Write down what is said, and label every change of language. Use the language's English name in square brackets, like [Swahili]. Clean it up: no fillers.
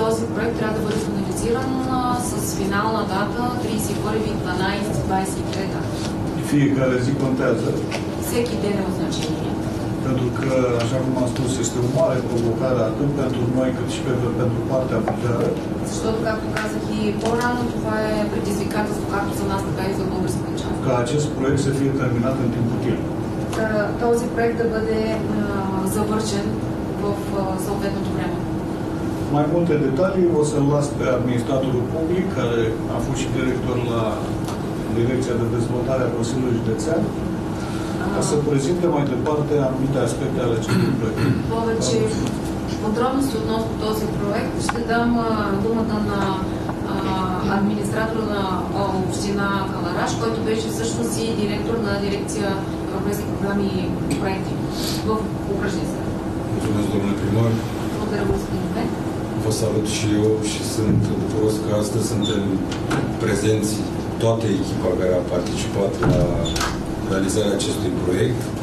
[Bulgarian] Този проект трябва да бъде финализиран с финална дата 31.12.23. [Romanian] Fiecare zi contează. [Bulgarian] Всеки ден е от значение. [Romanian] Pentru că, așa cum am spus, este o mare provocare atât pentru noi, cât și pentru partea puterea. [Bulgarian] Защото, както казах и по-рано, това е предизвикателство както за нас, така и за българската част. [Romanian] Ca acest proiect să fie terminat în timp util. [Bulgarian] Този проект да бъде завършен в съответното време. [Romanian] Mai multe detalii o să-l las pe administratorul public, care a fost și director la Direcția de Dezvoltare a Consiliului Județean, ca să prezinte mai departe anumite aspecte ale acestui proiect. [Bulgarian] Повече подробности относно този проект ще дам думата на администратора на община Călăraș, който беше всъщност и директор на Дирекция Европейски програми и проекти в окръжния съвет. Благодаря, господин Пимар. Благодаря, господин Пет. [Romanian] Vă salut și eu și sunt bucuros că astăzi suntem prezenți toată echipa care a participat la realizarea acestui proiect.